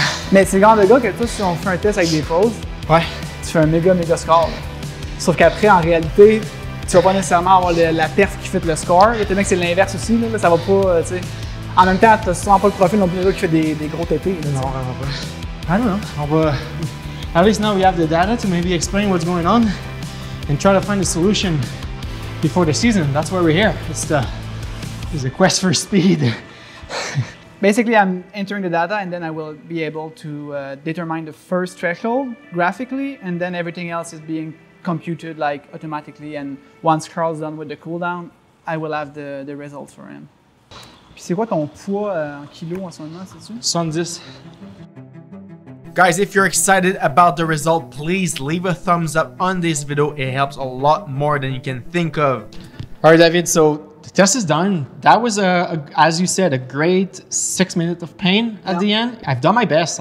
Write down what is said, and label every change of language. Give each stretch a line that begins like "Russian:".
French: Mais c'est grand de gars que toi, si on fait un test avec des pauses, ouais. Tu fais un méga, méga score. Sauf qu'après, en réalité, tu vas pas nécessairement avoir la perf qui fait le score. Étant donné que c'est l'inverse aussi, là, ça va pas, tu sais. En même temps, t'as souvent pas le profil non plus qui fait des gros TP. Non, on va pas.
English: I don't know.
French: On va...
English: At least now we have the data to maybe explain what's going on and try to find a solution before the season. That's why we're here. It's a quest for speed. Basically, I'm entering the data and then I will be able to determine the first threshold graphically, and then everything else is being computed like automatically, and once Carl's done with the cooldown, I will have the results for him.
French: Puis c'est quoi ton poids en kilos en ce moment, c'est-tu? 70.
English: Guys, if you're excited about the result, please leave a thumbs up on this video. It helps a lot more than you can think of. All right, David, so the test is done. That was, as you said, a great 6 minutes of pain at the end. I've done my best.